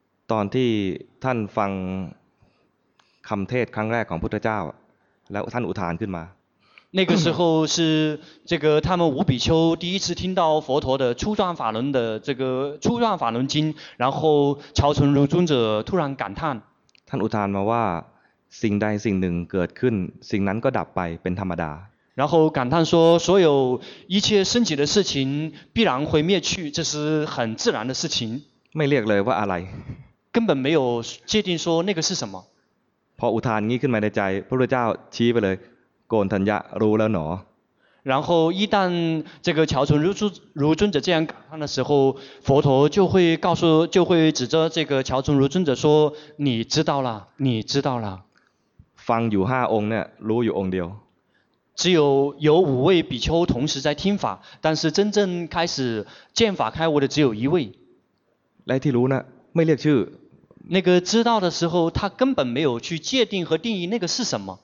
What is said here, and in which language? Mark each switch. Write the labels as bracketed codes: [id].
[th] ตอนที่ท่านฟังคำเทศครั้งแรกของพุทธเจ้าแล้วท่านอุทานขึ้นมา [zh] 那个时候是这个他们五比丘第一次听到佛陀的初转法轮的这个初转法轮经，然后乔成如尊者突然感叹。 [th] ท่านอุทานมาว่าสิ่งใดสิ่งหนึ่งเกิดขึ้นสิ่งนั้นก็ดับไปเป็นธรรมดา。 [zh] 然后感叹说，所有一切升起的事情必然会灭去，这是很自然的事情。 [th] ไม่เรียกเลยว่าอะไร。 [zh] 根本没有界定说那个是什么。 [th] พออุทานนี้ขึ้นมาในใจพระพุทธเจ้าชี้ไปเลยโกณฑัญญะรู้แล้วหน [zh] อ然后一旦这个乔成如尊者这样感叹的时候佛陀就会告诉就会指着这个乔成如尊者说你知道了你知道了 [th] ฟังอยู่ห้าองค์เนี่ยรู้อยู่องค์เดียว [zh] 只有五位比丘同时在听法但是真正开始见法开悟的只有一位 [th] และที่รู้นะไม่เรียกชื่อ [zh] 那个知道的时候他根本没有去界定和定义那个是什么